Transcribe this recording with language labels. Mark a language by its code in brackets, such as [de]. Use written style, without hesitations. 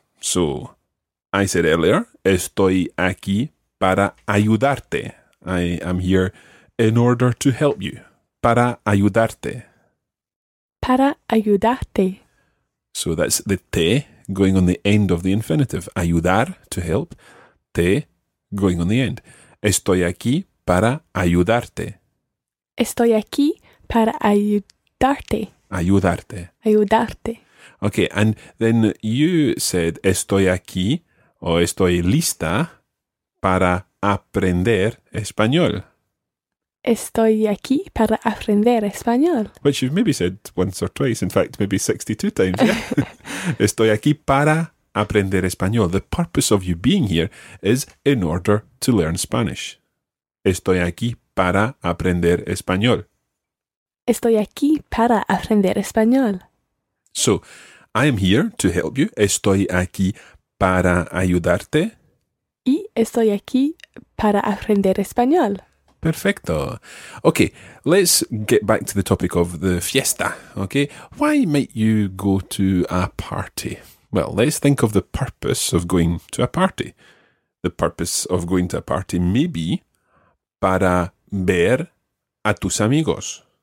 [en] So, I said earlier, [es] estoy aquí para ayudarte. [en] I am here in order to help you. [es] Para ayudarte. Para ayudarte. [en] So, that's the te going on the end of the infinitive. Ayudar, to help. Te going on the end. [es] Estoy aquí para ayudarte. Estoy aquí para ayudarte. Ayudarte. Ayudarte. [en] Okay, and then you said [es] estoy aquí o estoy lista para aprender español. Estoy aquí para aprender español. [en] Which you've maybe said once or twice, in fact, maybe 62 times. Yeah? [es] Estoy aquí para aprender español. [en] The purpose of you being here is in order to learn Spanish. [es] Estoy aquí para aprender español. Estoy aquí para aprender español. [en] So, I am here to help you. [es] Estoy aquí para ayudarte. Y estoy aquí para aprender español. [en] Perfecto. Okay, let's get back to the topic of the fiesta. Okay, why might you go to a party? Well, let's think of the purpose of going to a party. The purpose of going to a party may be [es] para ver a tus amigos.